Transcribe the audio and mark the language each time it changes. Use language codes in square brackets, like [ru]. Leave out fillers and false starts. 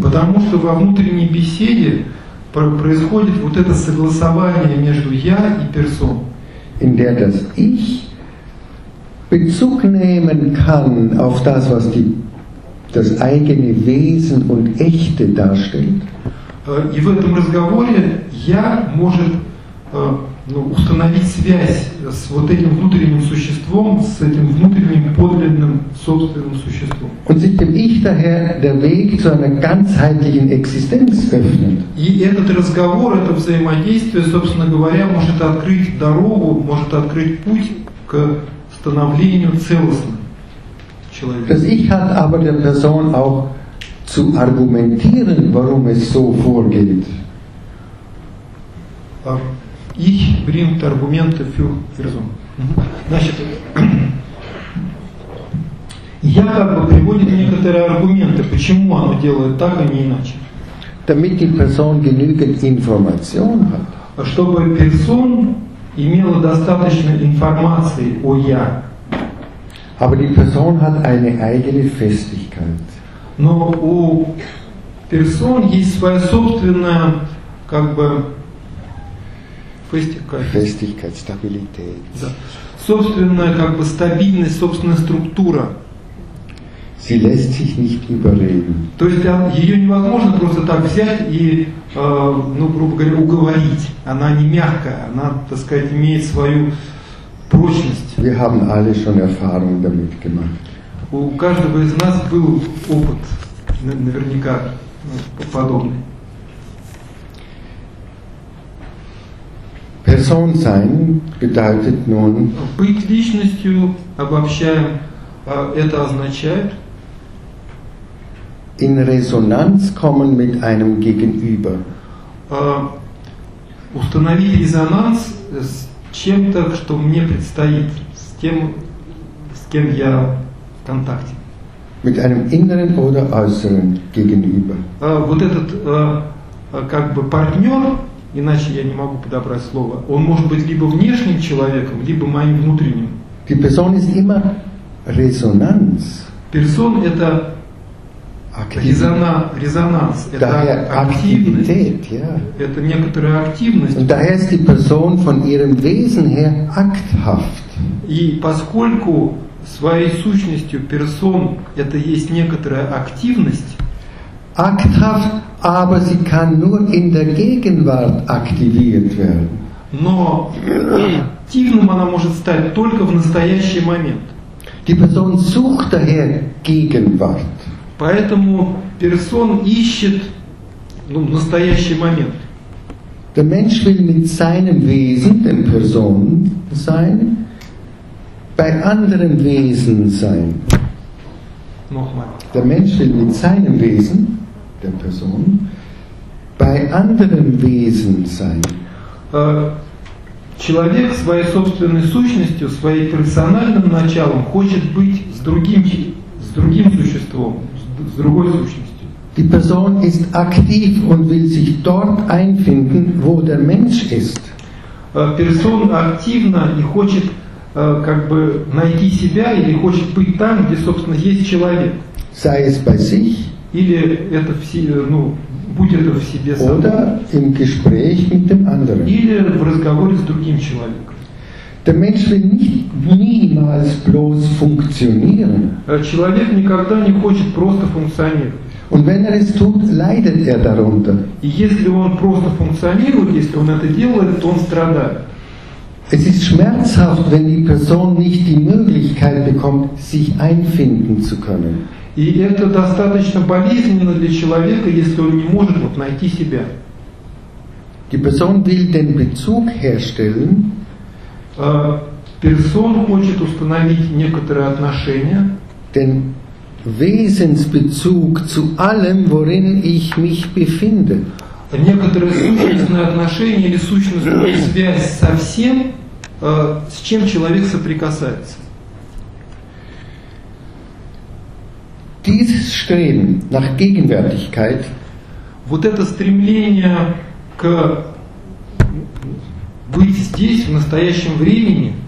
[ru] Потому что во внутренней беседе происходит вот это согласование между я и персон. [de] In der das Ich Bezug nehmen kann auf das, was die, das eigene Wesen und Echte darstellt. [ru] И в этом разговоре я может установить связь с вот этим внутренним существом, с этим внутренним подлинным собственным существом. [de] Und sich dem Ich daher der Weg zu einer ganzheitlichen Existenz öffnet. [ru] И этот разговор, это взаимодействие, собственно говоря, может открыть дорогу, может открыть путь к становлению целостным человеком. [de] Das Ich hat aber der Person auch zu argumentieren, warum es so vorgeht. Ich bringt Argumente für Person. [ru] Значит, я как бы приводит некоторые аргументы, почему оно делает так, а не иначе. [de] Damit die Person genügend Information hat. [ru] Чтобы Person имела достаточно информации о я. [de] Aber die Person hat eine eigene Festigkeit. [ru] Но у Person есть своя собственная, как бы, [de] Festigkeit, Stabilität. [ru] Да. Собственная как бы стабильность, собственная структура. [de] Sie lässt sich nicht überreden. [ru] То есть ее невозможно просто так взять и, грубо говоря, уговорить. Она не мягкая, она, так сказать, имеет свою прочность. [de] Wir haben alle schon Erfahrung damit gemacht. [ru] У каждого из нас был опыт, наверняка, подобный. [de] Person sein bedeutet nun. [ru] Быть личностью, обобщаем, это означает. [de] In Resonanz kommen mit einem Gegenüber. [ru] Установить резонанс с чем-то, что мне предстоит, с кем я в контакте. [de] Mit einem inneren oder äußeren Gegenüber. [ru] Вот этот как бы партнер. Иначе я не могу подобрать слово. Он может быть либо внешним человеком, либо моим внутренним. [de] Die Person ist immer Resonanz. [ru] Person это резонанс. Это активность. [de] Ja. [ru] Это некоторая активность. [de] Und daher ist die Person von ihrem Wesen her akthaft. [ru] И поскольку своей сущностью Person это есть некоторая активность. [de] Akthaft. Aber sie kann nur in der Gegenwart aktiviert werden. [ru] Но активным она может стать только в настоящий момент. [de] Die Person sucht daher Gegenwart. [ru] Поэтому Person ищет в настоящий момент. [de] Der Mensch will mit seinem Wesen, dem Person sein, bei anderen Wesen sein. Nochmal. Der Mensch will mit seinem Wesen der Person bei anderen Wesen sein. [ru] Человек своей собственной сущностью, своим персональным началом хочет быть с другим существом, с другой сущностью. [de] Die Person ist aktiv und will sich dort einfinden, wo der Mensch ist. [ru] Person активна и хочет как бы найти себя или хочет быть там, где собственно есть человек. [de] Sei es bei sich. [ru] Или это все, ну, будь это в себе сам. [de] Oder im Gespräch mit dem anderen. [ru] Или в разговоре с другим человеком. [de] Der Mensch will nicht niemals bloß funktionieren. [ru] Человек никогда не хочет просто функционировать. [de] Und wenn es tut, leidet darunter. [ru] И если он просто функционирует, если он это делает, то он страдает. [de] Es ist schmerzhaft, wenn die Person nicht die Möglichkeit bekommt, sich einfinden zu können. [ru] И это достаточно болезненно для человека, если он не может вот найти себя. [de] Die Person will den Bezug herstellen. [ru] Person хочет установить некоторые отношения. [de] Denn Wesensbezug zu allem, worin ich mich befinde. [ru] Некоторые сущностные отношения или сущностная связь со всем, с чем человек соприкасается. [de] Dieses Streben nach Gegenwärtigkeit, [ru] вот это стремление к быть здесь, в настоящем времени,